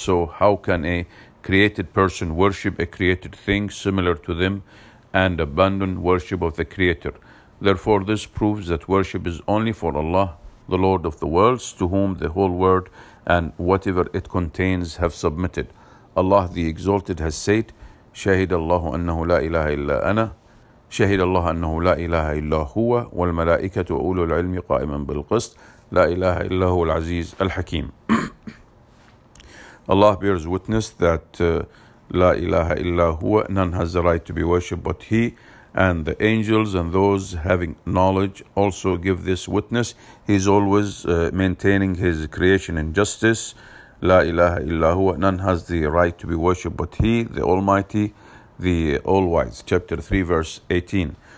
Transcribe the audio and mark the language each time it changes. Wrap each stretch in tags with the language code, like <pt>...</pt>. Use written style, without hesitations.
<en>So how can a created person worship a created thing similar to them and abandon worship of the Creator? Therefore, this proves that worship is only for Allah, the Lord of the worlds, to whom the whole world and whatever it contains have submitted. Allah the Exalted has said,</en> <ar>شهد الله أنه لا إله إلا أنا شهد الله أنه لا إله إلا هو والملائكة أولو العلم قائما بالقسط لا إله إلا هو العزيز الحكيم.</ar> <en>Allah bears witness that</en> <ar>لا إله إلا هو,</ar> <en>none has the right to be worshipped but He, and the angels and those having knowledge also give this witness. He is always maintaining His creation in justice. La ilaha illahuwa, none has the right to be worshipped but He, the Almighty, the All-Wise. Chapter 3, verse 18.</en>